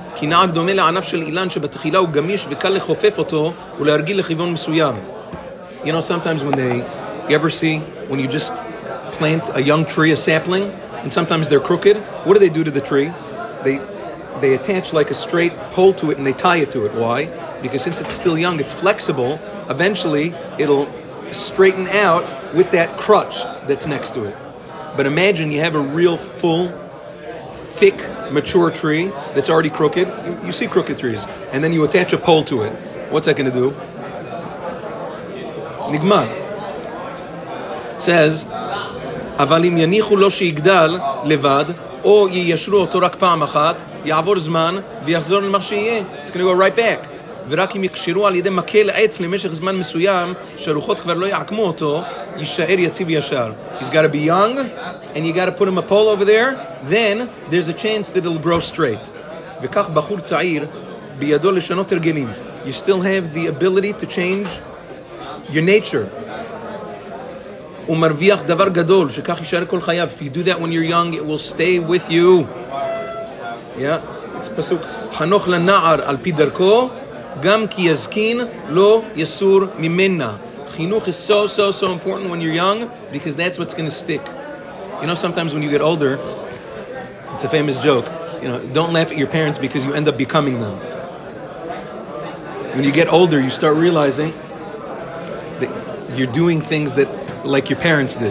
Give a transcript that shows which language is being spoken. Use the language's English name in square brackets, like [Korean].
[Hebrew] כי נער דומה לענף של אילן שבתחילה הוא גמיש וקל לחופף אותו ולהרגיל לכיוון מסוים. [English] You know, sometimes when they, you ever see, when you just plant a young tree, a sapling, and sometimes they're crooked, what do they do to the tree? They attach like a straight pole to it and they tie it to it. Why? Because since it's still young, it's flexible, eventually it'll straighten out with that crutch that's next to it. But imagine you have a real full, thick, mature tree that's already crooked. You see crooked trees. And then you attach a pole to it. What's that going to do? [Hebrew] Nigmar. Says, אבל אם יניחו לו שיגדל לבד, או יישרו אותו רק פעם אחת, יעבור זמן ויחזור למה שיהיה. [English] It's going to go right back. [Hebrew] ורק אם יקשרו על ידי מקל עץ למשך זמן מסוים, שהרוחות כבר לא יעקמו אותו, יישאר יציב ישר. [English] He's got to be young, and you got to put him a pole over there, then there's a chance that it'll grow straight. [Hebrew] וכך בחור צעיר בידו לשנות הרגלים. [English] You still have the ability to change your nature. [Hebrew] ומרוויח דבר גדול, שכך יישאר כל חייו. [English] If you do that when you're young, it will stay with you. Yeah, it's פסוק. [Hebrew] חנוך לנער על פי דרכו, גם כי יזקין לא יסור ממנה. [English] Chinuch is so, so, so important when you're young because that's what's going to stick. You know, sometimes when you get older, it's a famous joke. You know, don't laugh at your parents because you end up becoming them. When you get older, you start realizing that you're doing things that, like your parents did.